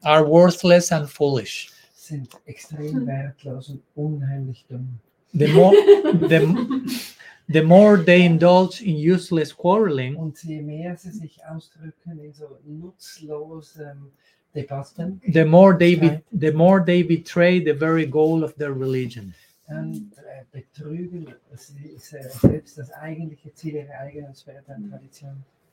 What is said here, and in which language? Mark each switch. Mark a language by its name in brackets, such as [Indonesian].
[English] are worthless and foolish. [German] Sind extrem wertlos und unheimlich dumm. [English] The more they indulge in useless quarreling, [German] und je mehr sie sich ausdrücken in so nutzlosen Debatten, [English] the more they betray the very goal of their religion. [German] Dann betrügen sie selbst das eigentliche Ziel ihrer eigenen spirituellen Tradition.